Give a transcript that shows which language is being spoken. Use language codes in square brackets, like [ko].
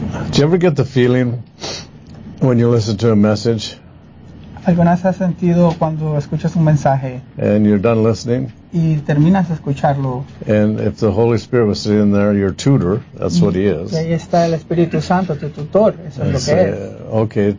[en] Do you ever get the feeling when you listen to a message? [es] ¿Alguna vez has sentido cuando escuchas un mensaje? [en] And you're done listening. [es] Y terminas de escucharlo. [en] And if the Holy Spirit was sitting there, your tutor, that's what he is. [es] Y ahí está el Espíritu Santo, tu tutor, eso es lo que es.